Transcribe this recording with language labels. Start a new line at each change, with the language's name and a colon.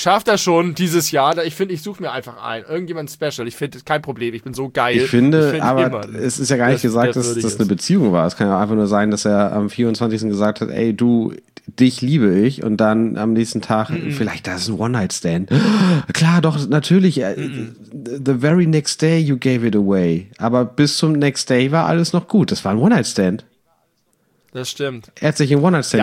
German: schaffe das schon dieses Jahr. Ich finde, ich suche mir einfach einen. Irgendjemand special. Ich finde, kein Problem. Ich bin so geil. Ich finde, es ist ja gar nicht gesagt, dass das eine Beziehung war. Es kann ja einfach nur sein, dass er am 24. gesagt hat, ey, du... Dich liebe ich und dann am nächsten Tag, vielleicht das ist ein One-Night-Stand. Klar, doch, natürlich.
English: The very next day you gave it away.
German: Aber bis zum
English: next day
German: war alles noch gut. Das war ein One-Night-Stand. Das stimmt. Er hat sich in One-Night-Stand